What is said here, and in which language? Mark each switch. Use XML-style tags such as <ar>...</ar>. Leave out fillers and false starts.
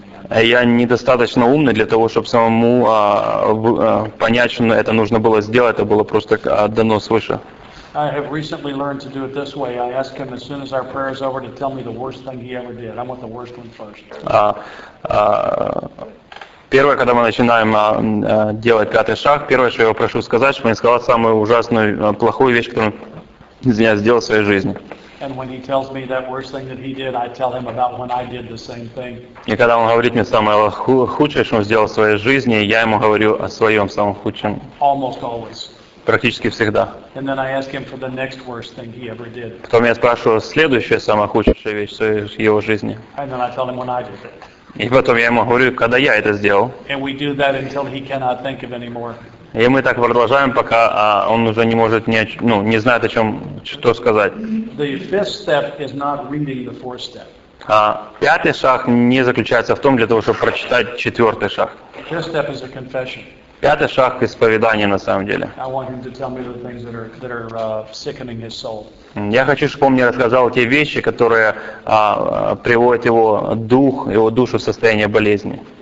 <ru>Я недостаточно умный для того, чтобы самому понять, что это нужно было сделать, это было просто дано свыше.</ru> <en>I have recently learned to do it this way. I ask him as soon as our prayer is over to tell me the worst thing he ever did. I want the worst one first.</en> <ru>Первое, когда мы начинаем делать пятый шаг, первое, что я его прошу сказать, чтобы он сказал самую ужасную, плохую вещь, которую, извиняюсь, сделал в своей жизни.</ru> <en>And when he tells me that worst thing that he did, I tell him about when I did the same thing.</en> <ru>И когда он говорит мне самое худшее, что он сделал в своей жизни, я ему говорю о своем самом худшем.</ru> <en>Almost always.</en> <ru>Практически всегда.</ru> <en>And then I ask him for the next worst thing he ever did.</en> <ru>Потом я спрашиваю следующая самая худшая вещь в своей его жизни.</ru> <en>And then I tell him when I did it.</en> <ru>И потом я ему говорю, когда я это сделал.</ru> <en>And we do that until he cannot think of anymore.</en> <ru>И мы так продолжаем, пока он уже не может не знает о чем что сказать.</ru> <en>The fifth step is not reading the fourth step.</en> <ru>Пятый шаг не заключается в том, для того, чтобы прочитать четвертый шаг.</ru> <en>First step is a confession.</en> <ru>Пятый шаг – исповедание, на самом деле. Я хочу, чтобы он мне рассказал те вещи, которые приводят его дух, его душу в состояние болезни.</ru>